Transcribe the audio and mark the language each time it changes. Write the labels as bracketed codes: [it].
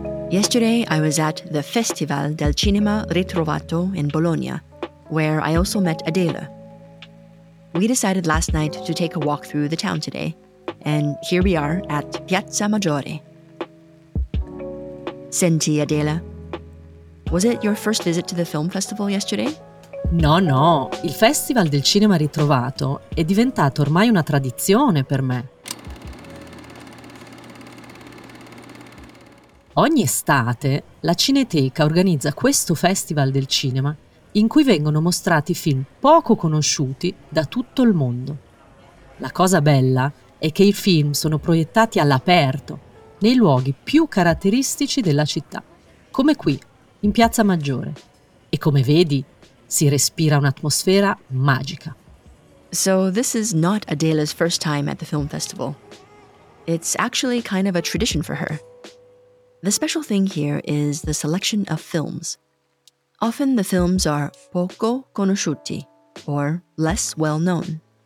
[en] Yesterday, I was at the Festival del Cinema Ritrovato in Bologna, where I also met Adela. We decided last night to take a walk through the town today, and here we are at Piazza Maggiore. [it] Senti, [en] Adela, was it your first visit to the film festival yesterday? [it] No, no, il Festival del Cinema Ritrovato è diventato ormai una tradizione per me. Ogni estate, la Cineteca organizza questo Festival del Cinema in cui vengono mostrati film poco conosciuti da tutto il mondo. La cosa bella è che i film sono proiettati all'aperto, nei luoghi più caratteristici della città, come qui, in Piazza Maggiore. E come vedi, si respira un'atmosfera magica. [en] So this is not Adela's first time at the film festival. It's actually kind of a tradition for her. The special thing here is the selection of films. Often the films are [it] poco conosciuti, [en] or less well-known.